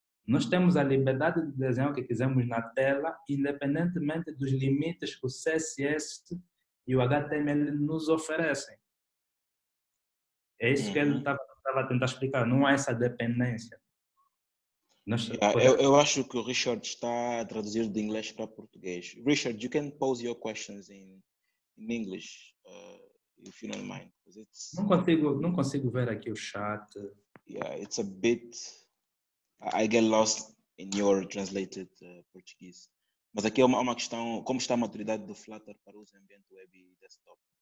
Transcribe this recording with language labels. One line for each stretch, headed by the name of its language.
Portuguese: Nós temos a liberdade de desenhar o que quisermos na tela, independentemente dos limites que o CSS e o HTML nos oferecem. É isso que ele estava a tentar explicar, não há essa dependência. Nós podemos. Eu acho que o Richard está a traduzir de inglês para português.
English: Richard, you can pose your questions in English, if you don't mind, because
Portuguese: Não consigo ver aqui o chat.
English: it's a bit, I get lost in your translated Portuguese.
Portuguese: Mas aqui é uma questão, como está a maturidade do Flutter para uso em ambiente web e desktop?